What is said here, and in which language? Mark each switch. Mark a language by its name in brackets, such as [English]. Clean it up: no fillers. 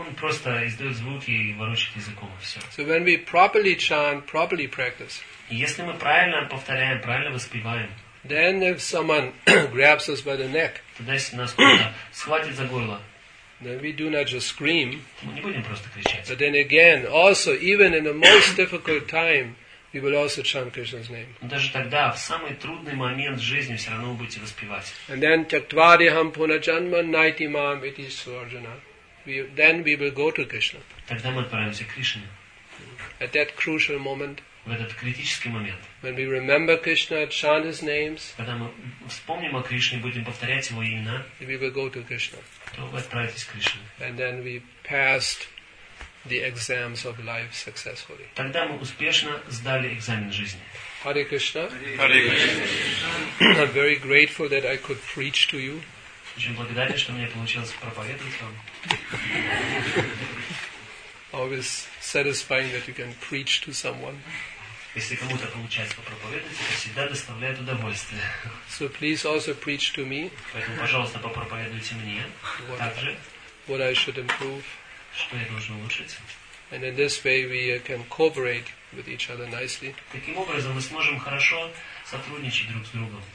[Russian] Он просто издает звуки и ворочает языком, и все. [English] So when we properly chant, properly practice. [Russian] Если мы правильно повторяем, правильно воспеваем. [English] Then if someone grabs us by the neck. [Russian] Тогда если нас кто-то схватит за горло. [English] Then we do not just scream. [Russian] Мы не будем просто кричать. [English] But then again, also even in the most difficult time, we will also chant Krishna's name. [Russian] Даже тогда, в самый трудный момент жизни, все равно вы будете воспевать. [English] And then [Sanskrit] чактвари хам пуна джанма найти мам ити сварджана. [English] Then we will go to Krishna. [Russian] Тогда мы отправимся к Кришне. [English] At that crucial moment. [Russian] в этот критический момент. [English] When we remember Krishna, chant his names. [Russian] Когда мы вспомним о Кришне, будем повторять его имена. [English] We will go to Krishna. [Russian] То вы отправитесь к Кришне. [English] And then we passed the exams of life successfully. [Russian] Тогда мы успешно сдали экзамен жизни. [Sanskrit] Hare Krishna. Hare Krishna. [English] I'm very grateful that I could preach to you. [Russian] Очень благодарен, что мне получилось проповедовать вам. [English] Always satisfying that you can preach to someone. [Russian] Если кому-то получается проповедовать, это всегда доставляет удовольствие. [English] So please also preach to me. [Russian] Поэтому, пожалуйста, попроповедуйте мне также. [English] What I should improve. [Russian] Что я должен улучшить. [English] And in this way we can cooperate with each other nicely. [Russian] Таким образом мы сможем хорошо сотрудничать друг с другом.